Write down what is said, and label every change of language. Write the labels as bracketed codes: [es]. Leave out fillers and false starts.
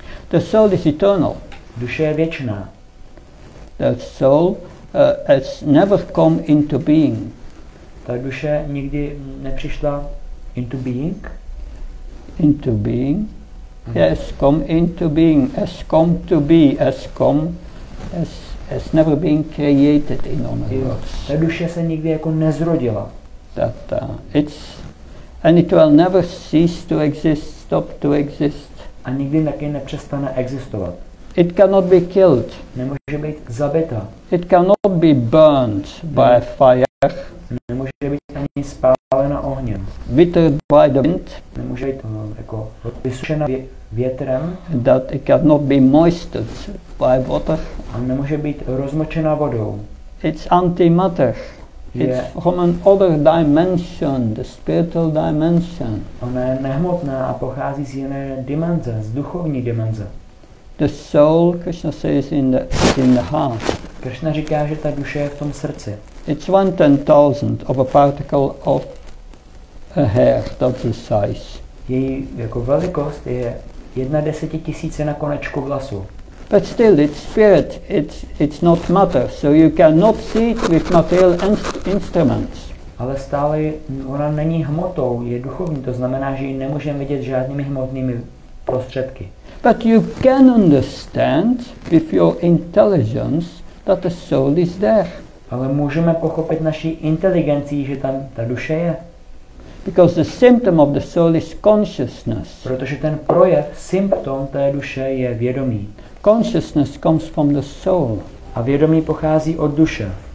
[en] The soul is eternal. [cs] Duše je věčná. [en] The soul has never come into being. [cs] Ta duše nikdy nepřišla [en] into being? Into being? Mm-hmm. Yes, come into being, as come to be, as come, as never been created in other words. [cs] Ta duše se nikdy jako nezrodila. [en] that it's and it will never cease to exist, stop to exist. [cs] A nikdy taky nepřestane existovat. [en] It cannot be killed. [cs] Nemůže být zabita. [en] It cannot be burned by fire. [cs] Nemůže být ani spálena ohněm. [en] Withered by the wind. [cs] Nemůže být jako vysušena větrem. [en] That it cannot be moistened by water. [cs] A nemůže být rozmočena vodou. [en] It's antimatter. It's from an other dimension, the spiritual dimension. [cs] Ona je nehmotná a pochází z jiné dimenze, z duchovní dimenze. [en] The soul, Krishna says, in the heart. [cs] Krishna říká, že ta duše je v tom srdci. [en] It's 1/10,000 of a particle of a hair, that's the size. [cs] Její jako velikost je 1/10,000 konečku vlasu. [en] But still, it's spirit. It's not matter. So you cannot see it with material instruments. [cs] Ale stále ona není hmotou, je duchovní. To znamená, že ji nemůžeme vidět žádnými hmotnými prostředky. [en] But you can understand with your intelligence that the soul is there. [cs] Ale můžeme pochopit naší inteligencí, že tam ta duše je. [en] Because the symptom of the soul is consciousness. [cs] Protože ten projev, symptom té duše je vědomí. [en] Consciousness comes from the soul. [cs] A vědomí pochází od duše.